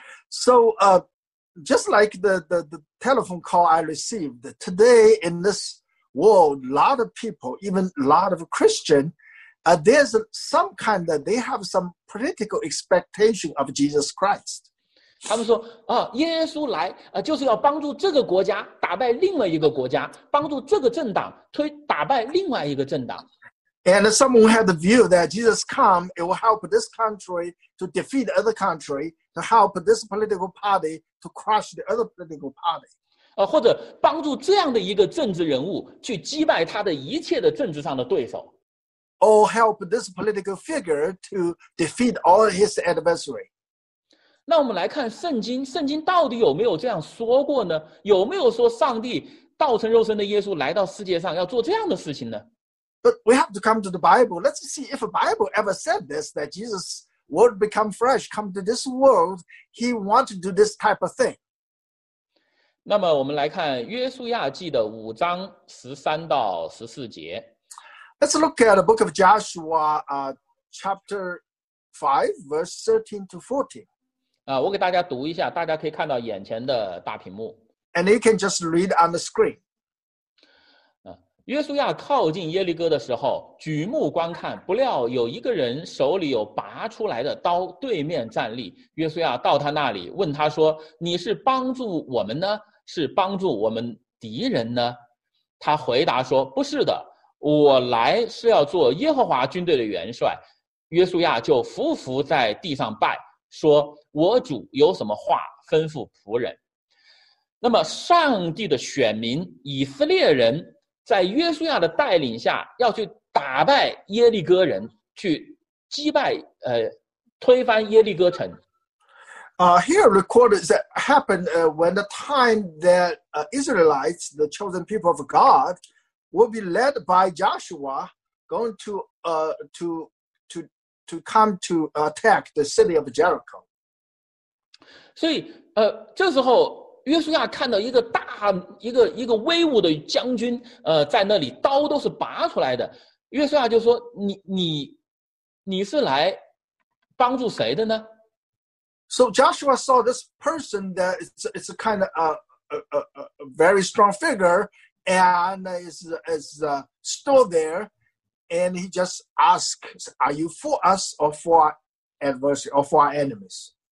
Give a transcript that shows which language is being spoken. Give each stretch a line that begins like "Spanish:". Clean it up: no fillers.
English: So, just like the telephone call I received today in this world, a lot of people, even a lot of Christians, there's some kind of, they have some political expectation of Jesus Christ.
Chinese: 他们说啊，耶稣来就是要帮助这个国家打败另外一个国家，帮助这个政党推打败另外一个政党。
English: And if someone had the view that Jesus come, it will help this country to defeat the other country, to help this political party to crush the other political party.
Chinese: 或者帮助这样的一个政治人物去击败他的一切的政治上的对手。
English: Or help this political figure to defeat all his adversary.
Chinese: 那我们来看圣经，圣经到底有没有这样说过呢？有没有说上帝道成肉身的耶稣来到世界上要做这样的事情呢？
English: But we have to come to the Bible. Let's see if the Bible ever said this, that Jesus would become flesh, come to this world, he wanted to do this type of thing.
Chinese: 那么我们来看约书亚记的五章十三到十四节。
English: Let's look at the book of Joshua, chapter 5, verse 13 to 14.
Chinese: 我给大家读一下，大家可以看到眼前的大屏幕。
English: And you can just read on the screen.
Chinese: 约书亚靠近耶利哥的时候，举目观看，不料有一个人手里有拔出来的刀，对面站立。约书亚到他那里，问他说：“你是帮助我们呢，是帮助我们敌人呢？” 他回答说：“不是的，我来是要做耶和华军队的元帅。” 约书亚就伏伏在地上拜，说：“我主有什么话吩咐仆人？” 那么，上帝的选民以色列人。在约书亚的带领下要去打败耶利哥人，去击败推翻耶利哥城。
English: Here recorded that happened when the time that Israelites, the chosen people of God, will be led by Joshua going to come to attack the city of Jericho.
Chinese: 所以这时候约书亚看到一个大一个威武的将军在那里刀都是拔出来的。约书亚就说你是来帮助谁的呢？
English: So Joshua saw this person that is a kind of a very strong figure and is still there and he just asks, are you for us or for our adversary or for our enemies?